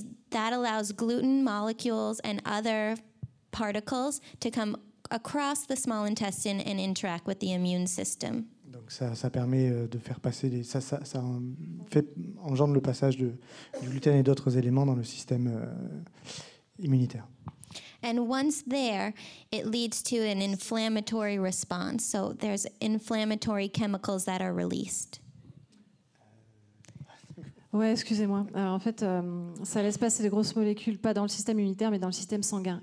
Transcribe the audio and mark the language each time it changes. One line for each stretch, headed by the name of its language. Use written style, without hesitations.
English: That allows gluten molecules and other particles to come across the small intestine and interact with the immune system.
French: Donc ça permet de faire passer ça fait engendre le passage du gluten et d'autres éléments dans le système immunitaire.
English: And once there, it leads to an inflammatory response. So there's inflammatory chemicals that are released.
French: Ouais, excusez-moi. Alors, en fait, ça laisse passer des grosses molécules, pas dans le système immunitaire, mais dans le système sanguin.